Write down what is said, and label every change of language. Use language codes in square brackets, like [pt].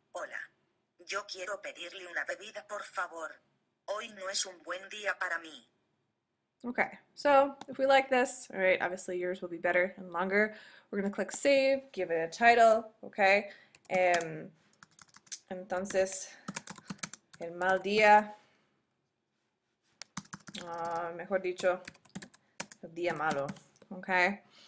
[es] Hola, yo quiero pedirle una bebida, por favor. Hoy no es un buen día para mí. [en] Okay, so if we like this, all right, obviously yours will be better and longer. We're gonna click save, give it a title, okay? [es] Entonces, el mal día, mejor dicho, el día malo, okay?